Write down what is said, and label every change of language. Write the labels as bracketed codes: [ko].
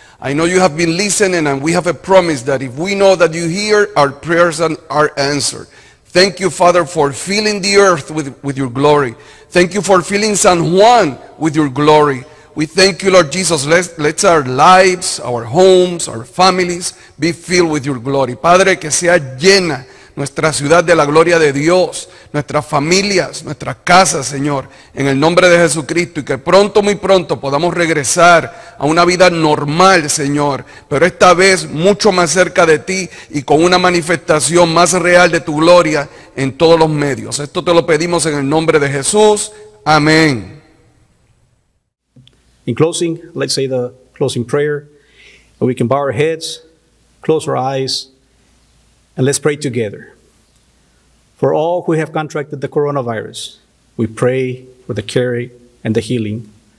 [en] I know you have been listening, and we have a promise that if we know that you hear, our prayers are answered. Thank you, Father, for filling the earth with your glory. Thank you for filling San Juan with your glory. We thank you, Lord Jesus. Let our lives, our homes, our families be filled with your glory. [es] Padre, que sea llena nuestra ciudad de la gloria de Dios, nuestras familias, nuestras casas, Señor, en el nombre de Jesucristo, y que pronto, muy pronto, podamos regresar a una vida normal, Señor, pero esta vez mucho más cerca de ti y con una manifestación más real de tu gloria en todos los medios. Esto te lo pedimos en el nombre de Jesús. Amén. [en] In closing, let's say the closing prayer, and we can bow our heads, close our eyes, and let's pray together. For all who have contracted the coronavirus, we pray for the care and the healing.